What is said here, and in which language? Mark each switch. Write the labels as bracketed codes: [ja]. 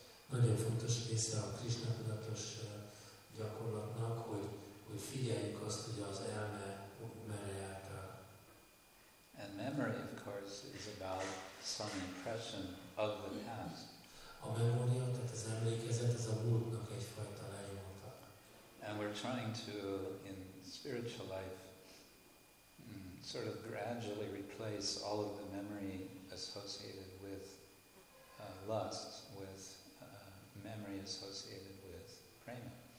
[hu] Nagyon fontos része a Krishna tudatos gyakorlatnak, hogy figyeljük azt, hogy az elme merre járt. [en] And memory, of course, is about some impression of the past. [hu] A memória, tehát az emlékezet, az a múltnak egyfajta lenyomata. [en] And we're trying to, in spiritual life, sort of gradually replace all of the memory associated with lust with memory associated with prema.